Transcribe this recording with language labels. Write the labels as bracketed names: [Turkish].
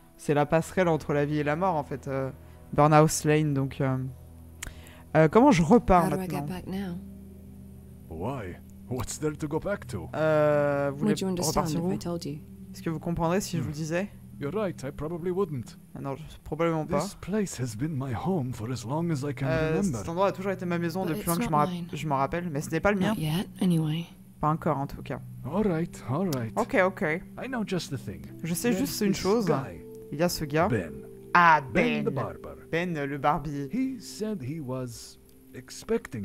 [French] C'est la passerelle entre la vie et la mort en fait. Burnout Lane donc. Comment je repars maintenant? [English] Why? What's there to go back to? [French] Vous voulez repartir où? Est-ce que vous comprendrez si je vous le disais? [English] You're right, I probably wouldn't. [French] Non, probablement pas. [English] This place has been my home for as long as I can remember. [French] Cet endroit a toujours été ma maison depuis longtemps que je m'en rappelle, mais ce n'est pas le mien. [English] Not yet, anyway. [French] Pas encore, en tout cas. [English] All right. [French] Ok. [English] I know just the thing. [French] Je sais juste une chose. Il y a ce gars. Ben. Ah, [English] Ben. The barber. [French] Ben, le barbier. [English] He said he was expecting